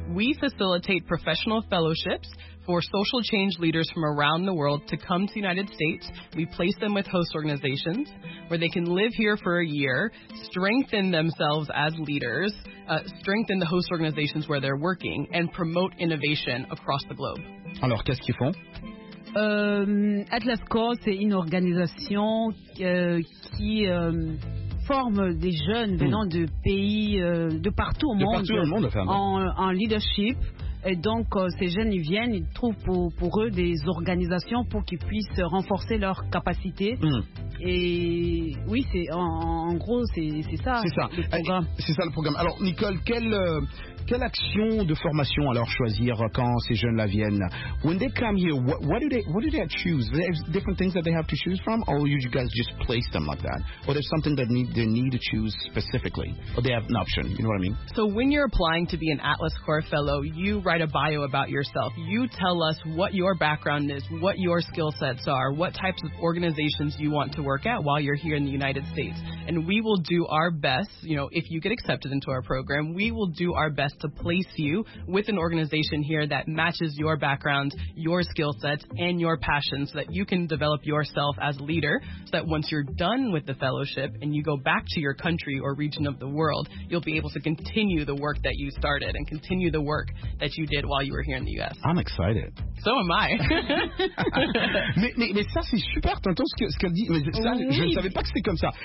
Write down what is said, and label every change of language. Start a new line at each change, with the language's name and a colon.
English: We facilitate professional fellowships for social change leaders from around the world to come to the United States. We place them with host organizations where they can live here for a year, strengthen themselves as leaders, strengthen the host organizations where they're working, and promote innovation across the globe.
French: Alors, qu'est-ce qu'ils font? Atlas Corps, c'est une organisation qui forme des jeunes venant de pays de partout au monde en leadership. Et donc, ces jeunes, ils viennent, ils trouvent pour eux des organisations pour qu'ils puissent renforcer leurs capacités. Mm. Et oui, c'est ça le programme. Alors, Nicole, quelle action de formation alors choisir quand ces jeunes là viennent?
English: When they come here, what do they choose? There's different things that they have to choose from, or you guys just place them like that, or there's something that they need to choose specifically, or they have an option? You know what I mean? So when you're applying to be an Atlas Corps fellow, you write a bio about yourself. You tell us what your background is, what your skill sets are, what types of organizations you want to work at while you're here in the United States, and we will do our best. You know, if you get accepted into our program, we will do our best to place you with an organization here that matches your background, your skill sets, and your passion so that you can develop yourself as a leader so that once you're done with the fellowship and you go back to your country or region of the world, you'll be able to continue the work that you started and continue the work that you did while you were here in the U.S. I'm excited. So am I.
French: mais ça, c'est super, tantôt, ce qu'elle dit. Mais ça, oui. Je ne savais pas que c'était comme ça.